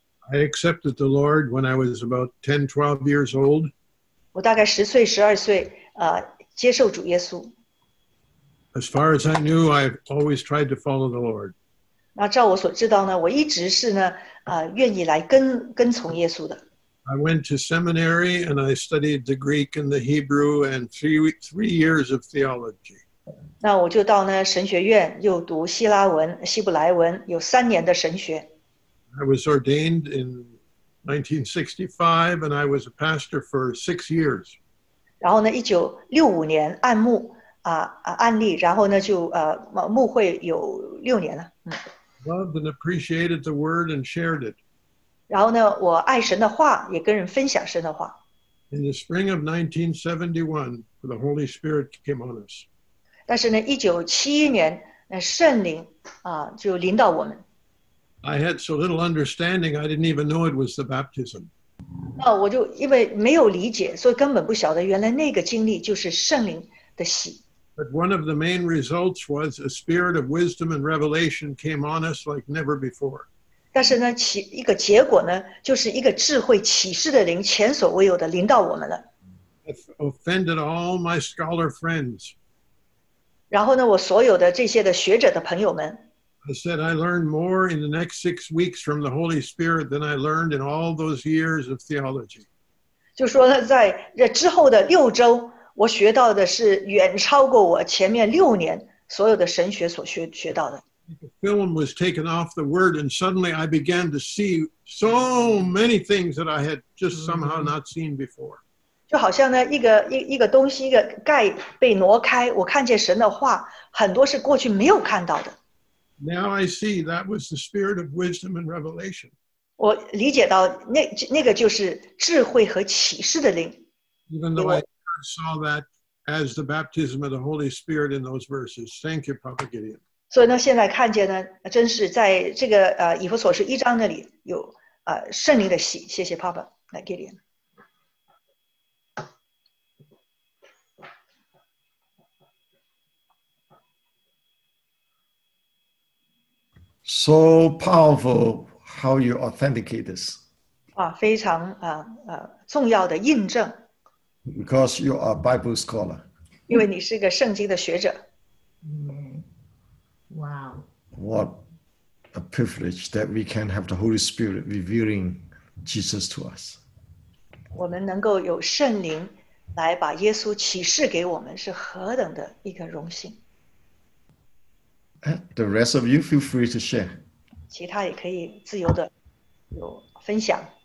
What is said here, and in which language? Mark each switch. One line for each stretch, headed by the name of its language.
English: I accepted the Lord when I was about 10, 12 years old.
Chinese: 我大概十岁、十二岁接受主耶稣。
English: As far as I knew, I've always tried to follow the Lord.
Chinese: 那照我所知道呢，我一直是呢，愿意来跟从耶稣的。
English: I went to seminary and I studied the Greek and the Hebrew and three years of theology.
Chinese: 那我就到呢神学院，又读希腊文、希伯来文，有三年的神学。
English: I was ordained in 1965 and I was a pastor for 6 years.
Chinese: 然后呢 ,1965 年按牧按立然后呢就牧会有六年了。
English: Loved and appreciated the word and shared it.
Chinese: 然后呢我爱神的话也跟人分享神的话。
English: In the spring of 1971, the Holy Spirit came on us.
Chinese: 但是呢 ,1971 年圣灵就临到我们。
English: I had so little understanding, I didn't even know it was the baptism.
Chinese: 那我就因为没有理解，所以根本不晓得原来那个经历就是圣灵的洗。
English: But one of the main results was a spirit of wisdom and revelation came on us like never before.
Chinese: 但是呢，一个结果呢，就是一个智慧启示的灵前所未有的临到我们了。
English: It offended all my scholar friends.
Chinese: 然后呢，我所有的这些的学者的朋友们。
English: I said, I learned more in the next 6 weeks from the Holy Spirit than I learned in all those years of theology.
Chinese: 就说呢，在这之后的六周，我学到的是远超过我前面六年所有的神学所学到的。
English: The film was taken off the word, and suddenly I began to see so many things that I had just somehow not seen before.
Chinese: 就好像呢，一个东西，一个盖被挪开，我看见神的话，很多是过去没有看到的。
English: Now I see that was the spirit of wisdom and revelation.
Chinese: 我理解到那个就是智慧和启示的灵。
English: Even though I saw that as the baptism of the Holy Spirit in those verses. Thank you, Papa Gideon.
Chinese: 所以呢，现在看见呢，真是在这个以弗所书一章那里有圣灵的洗。谢谢 Papa Gideon。
English: So powerful how you authenticate this.
Chinese: 非常重要的印证。
English: Because you are a Bible scholar.
Chinese: 因为你是一个圣经的学者。
English: Wow. What a privilege that we can have the Holy Spirit revealing Jesus to us.
Chinese: 我们能够有圣灵来把耶稣启示给我们, 是何等的一个荣幸。
English: The rest of you feel free to share.
Chinese: 其他也可以自由的分享。